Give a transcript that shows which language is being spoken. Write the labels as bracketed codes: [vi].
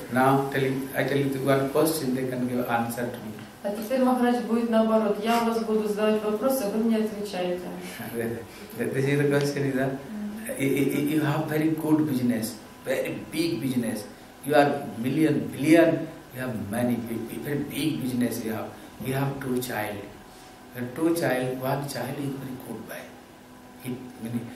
[en] Now I tell you to go first, and they can give answer to me. [ru] А теперь Махарадж будет наоборот. Я вас буду задавать вопросы, а вы мне отвечаете. [en] This is the question, is that you have very good business, very big business. You are million, billion, you have many, very big business you have. You have two child, one child is very good boy.